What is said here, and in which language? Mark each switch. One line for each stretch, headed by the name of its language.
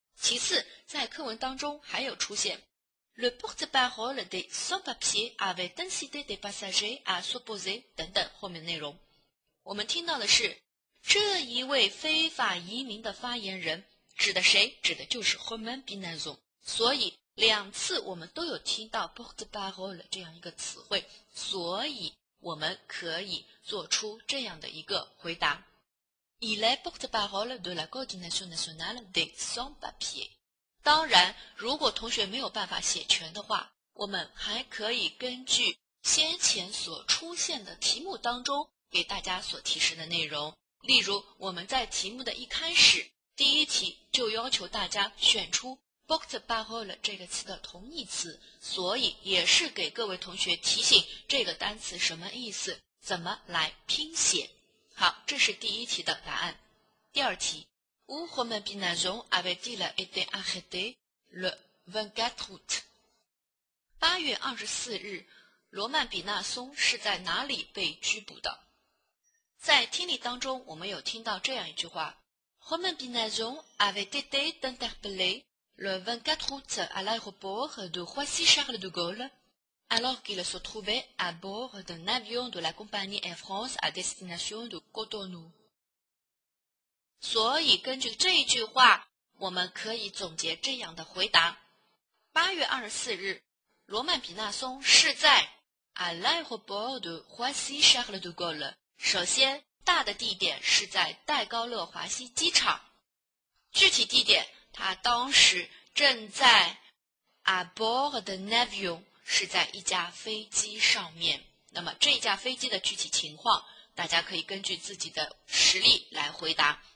Chinese: 其次，在课文当中还有出现
French: Le porte-parole des sans-papiers avait décidé des passagers à s'opposer
Chinese: 等等后面内容，我们听到的是这一位非法移民的发言人指的谁？指的就是 Romain Binazon。所以两次我们都有听到 porte-parole 这样一个词汇，所以我们可以做出这样的一个回答。
French: Il est porte-parole de la coordination nationale des sans-papiers.
Chinese: 当然，如果同学没有办法写全的话，我们还可以根据先前所出现的题目当中给大家所提示的内容。例如，我们在题目的一开始，第一题就要求大家选出 porte-parole 这个词的同义词，所以也是给各位同学提醒这个单词什么意思，怎么来拼写。好，这是第一题的答案。
French: 第二题 Où Romain Binazon avait-il été arrêté le 24 août?
Chinese: 8月24日罗曼比纳松是在哪里被拘捕的？在听力当中，我们有听到这样一句话
French: Romain Binazon avait été interpellé le 24 août à l'aéroport de Roissy-Charles de Gaulle alors qu'il se trouvait à bord d'un avion de la compagnie Air France à destination de Cotonou.
Chinese: 所以根据这一句话，我们可以总结这样的回答。 8月24日，罗曼比纳松是在
French: à l'aéroport de Roissy-Charles de Gaulle。
Chinese: 首先，大的地点是在戴高乐华西机场。具体地点，他当时正在
French: à bord de navion。
Chinese: 是在一架飞机上面，那么这架飞机的具体情况，大家可以根据自己的实力来回答。